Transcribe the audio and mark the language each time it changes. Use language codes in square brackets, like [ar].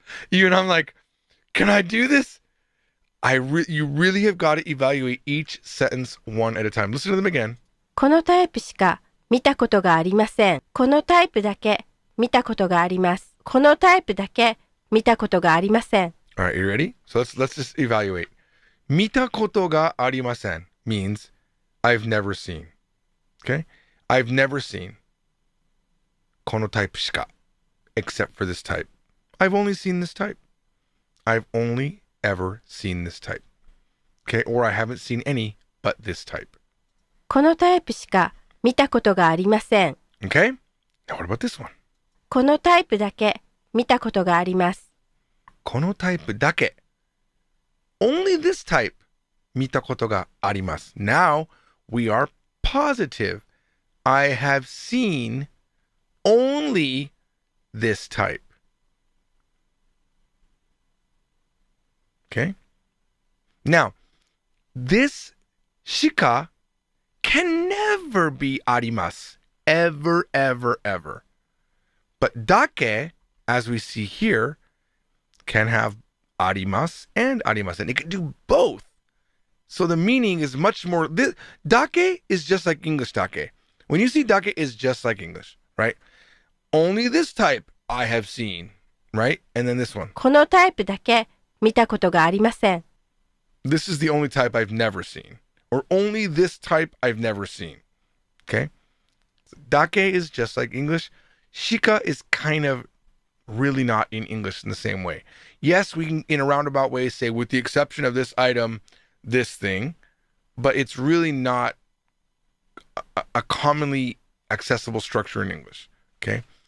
[en] You and I'm like, can I do this? You really have got to evaluate each sentence one at a time. Listen to them again. [ja] このタイプしか見たことがありません。このタイプだけ見たことがあります。このタイプだけ見たことがありません。 [en] All right, you ready? So let's just evaluate. [ja] 見たことがありません [en] means I've never seen. Okay? I've never seen [ja] このタイプしか [en] except for this type. I've only seen this type. I've only ever seen this type. Okay? Or I haven't seen any but this type. [ja] このタイプしか見たことがありません。 [en] Okay? Now what about this one? [ja] このタイプだけ見たことがあります。このタイプだけ [en] Only this type [ja] 見たことがあります [en] Now we are positive I have seen only this type Okay Now this しか can never be あります Ever, ever, ever But だけ as we see hereCan have arimasu and arimasen. It can do both. So the meaning is much more. This, dake is just like English dake. When you see dake, is just like English, right? Only this type I have seen, right? And then this one. [ja] このタイプだけ見たことがありません。 [en] This is the only type I've never seen. Or only this type I've never seen. Okay? Dake is just like English. Shika is kind of. Really not in English in the same way. Yes, we can, in a roundabout way, say with the exception of this item, this thing, but it's really not a commonly accessible structure in English, okay?